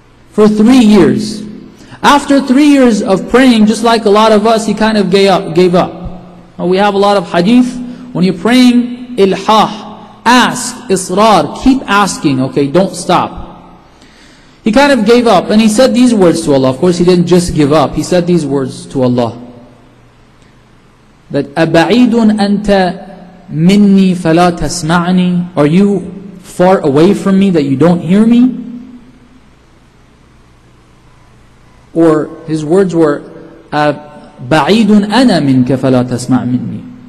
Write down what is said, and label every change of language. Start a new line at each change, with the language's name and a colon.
English: For 3 years. After 3 years of praying, just like a lot of us, he kind of gave up. Well, we have a lot of hadith. When you're praying, ilhah, ask, israr, keep asking, okay, don't stop. He kind of gave up and he said these words to Allah. Of course, he didn't just give up. He said these words to Allah. That
Arabic: أَبَعِيدٌ أَنْتَ مِنِّي فَلَا تَسْمَعْنِي.
English: Are you far away from me that you don't hear me? Or his words were,
Arabic: بَعِيدٌ أَنَا مِنْكَ فَلَا تَسْمَعْ مِنِّي.